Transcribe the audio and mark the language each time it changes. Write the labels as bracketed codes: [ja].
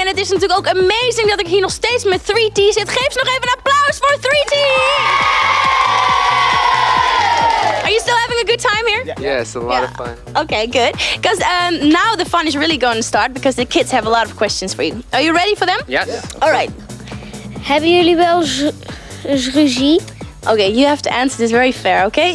[nl] En het is natuurlijk ook amazing dat ik hier nog steeds met 3T zit. Geef ze nog even een applaus voor 3T! [en] Are you still having a good time here? Yes, a lot of fun. Okay, good. Because now the fun is really going to start because the kids have a lot of questions for you. Are you ready for them? Yes. Yeah. Alright. [nl] Hebben jullie wel eens ruzie? [en] Okay, you have to answer this very fair, okay?